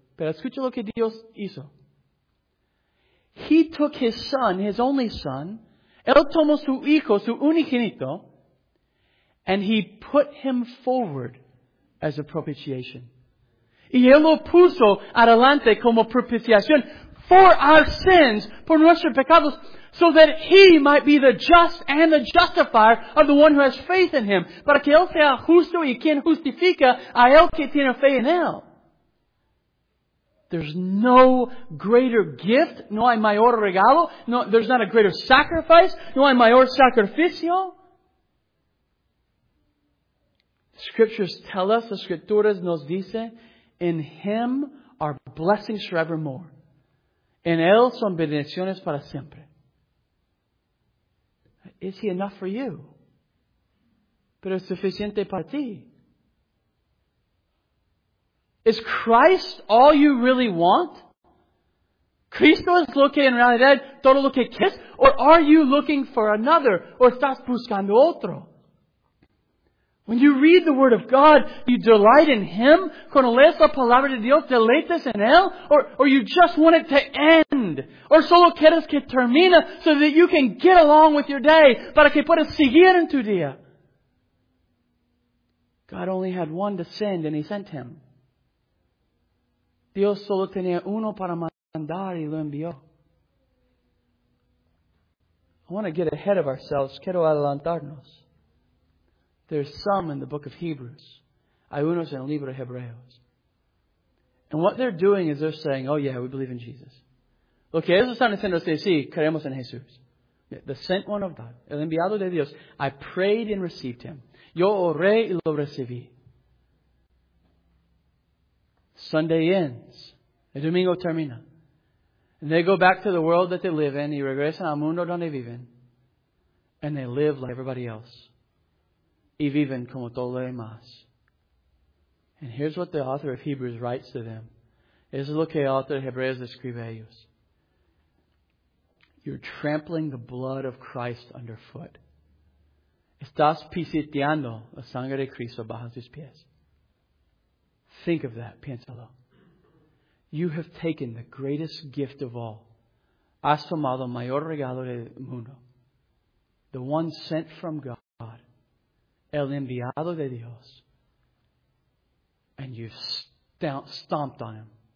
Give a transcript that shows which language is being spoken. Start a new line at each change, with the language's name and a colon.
Spanish: Pero escucha lo que Dios hizo.
English: He took his son, his only son,
Spanish: él tomó su hijo, su unigenito,
English: and he put him forward as a propitiation.
Spanish: Y él lo puso adelante como propiciación.
English: For our sins,
Spanish: por nuestros pecados,
English: so that he might be the just and the justifier of the one who has faith in him.
Spanish: Para que él sea justo y quien justifica a él que tiene fe en él.
English: There's no greater gift,
Spanish: no hay mayor regalo,
English: no, there's not a greater sacrifice,
Spanish: no hay mayor sacrificio.
English: Scriptures tell us, the
Spanish: Scripturas nos dice,
English: in him are blessings forevermore.
Spanish: En él son bendiciones para siempre.
English: Is he enough for you?
Spanish: Pero es suficiente para ti.
English: Is Christ all you really want?
Spanish: ¿Cristo es lo que en realidad todo lo que quieres? Or are you looking for another? ¿Or estás buscando otro?
English: When you read the Word of God, you delight in Him?
Spanish: Cuando lees la Palabra de Dios, deleitas en Él?
English: Or you just want it to end? Or
Spanish: solo quieres que termine
English: so that you can get along with your day?
Spanish: Para que puedas seguir en tu día?
English: God only had one to send and He sent Him.
Spanish: Dios solo tenía uno para mandar y lo envió.
English: I want to get ahead of ourselves.
Spanish: Quiero adelantarnos.
English: There's some in the book of Hebrews.
Spanish: Hay unos en el libro de Hebreos.
English: And what they're doing is they're saying, oh yeah, we believe in Jesus.
Spanish: Lo que ellos están diciendo es que sí, creemos en Jesús.
English: The sent one of God,
Spanish: el enviado de Dios.
English: I prayed and received him.
Spanish: Yo oré y lo recibí.
English: Sunday ends.
Spanish: El domingo termina.
English: And they go back to the world that they live in.
Spanish: Y regresan al mundo donde viven.
English: And they live like everybody else.
Spanish: Y viven como todos los demás.
English: And here's what the author of Hebrews writes to them.
Spanish: Es lo que el autor de Hebreos escribe a ellos.
English: You're trampling the blood of Christ underfoot.
Spanish: Estás pisoteando la sangre de Cristo bajo tus pies.
English: Think of that.
Spanish: Piénsalo.
English: You have taken the greatest gift of all.
Spanish: Has tomado el mayor regalo del mundo.
English: The one sent from God.
Spanish: El enviado de Dios.
English: And you've stomped on him.